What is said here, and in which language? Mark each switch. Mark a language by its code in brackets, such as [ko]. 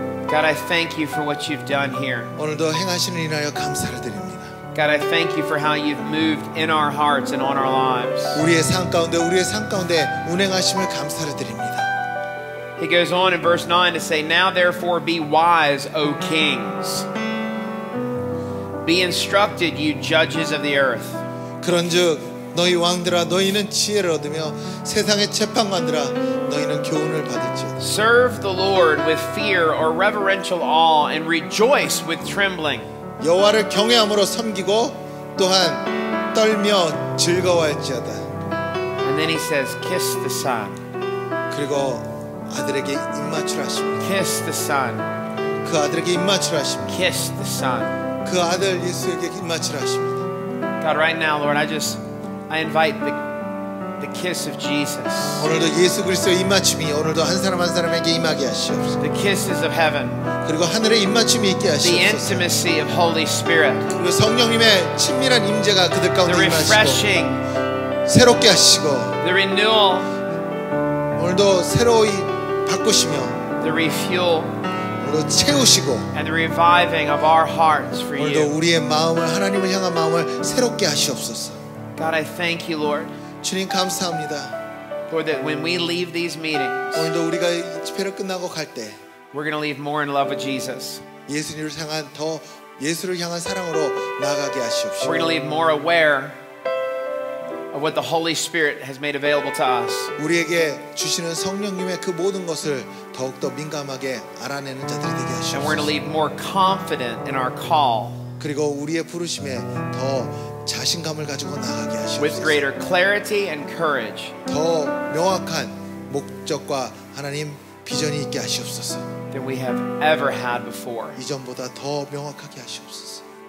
[en] God, I thank you for what you've done here. [ko] 오늘도 행하시는 일하여 감사를 드립니다. [en] God, I thank you for how you've moved in our hearts and on our lives. [ko] 우리의 삶 가운데 운행하심을 감사를 드립니다. [en] He goes on in verse 9 to say, Now therefore be wise, O kings. Be instructed, you judges of the earth. [ko] 그런즉 너희 왕들아 너희는 지혜를 얻으며 세상의 재판관들아 너희는 교훈을 받을지. [en] Serve the Lord with fear or reverential awe and rejoice with trembling. [ko] 여호와를 경외함으로 섬기고 또한 떨며 즐거워할지어다. [en] And then he says, kiss the son. [ko] 그리고 아들에게 입맞추라 하십니다. [en] Kiss the son. [ko] 그 아들에게 입맞추라 하십니다. [en] Kiss the son. [ko] 그 아들 예수에게 입맞추라 하십니다. [en] God, right now, Lord, I invite the kiss of Jesus. [ko] 오늘도 예수 그리스도의 입맞춤이 오늘도 한 사람 한 사람에게 임하게 하시옵소서. [en] The kisses of heaven. [ko] 그리고 하늘의 입맞춤이 있게 하시옵소서. [en] The intimacy of Holy Spirit. [ko] 그리고 성령님의 친밀한 임재가 그들 가운데 임하시고. [en] The refreshing. [ko] 새롭게 하시고. [en] The renewal. [ko] 오늘도 새로이 바꾸시며. [en] The refuel. [ko] 오늘도 채우시고. [en] And the reviving of our hearts for you. [ko] 오늘도 우리의 마음을 하나님을 향한 마음을 새롭게 하시옵소서. [en] God, I thank you, Lord. [ko] 주님 감사합니다. [en] For that when we leave these meetings, [ko] 오늘도 우리가 집회를 끝나고 갈 때, [en] we're going to leave more in love with Jesus. [ko] 예수님을 향한 더 예수를 향한 사랑으로 나아가게 하시옵소서. [en] We're going to leave more aware of what the Holy Spirit has made available to us. [ko] 우리에게 주시는 성령님의 그 모든 것을 더욱 더 민감하게 알아내는 자들이 되게 하시옵소서. [en] And we're going to leave more confident in our call. [ko] 그리고 우리의 부르심에 더 자신감을 가지고 나아가게 하시옵소서. [en] With greater clarity and courage. [ko] 더 명확한 목적과 하나님 비전이 있게 하시옵소서. [en] Than we have ever had before. [ko] 이전보다 더 명확하게 하시옵소서.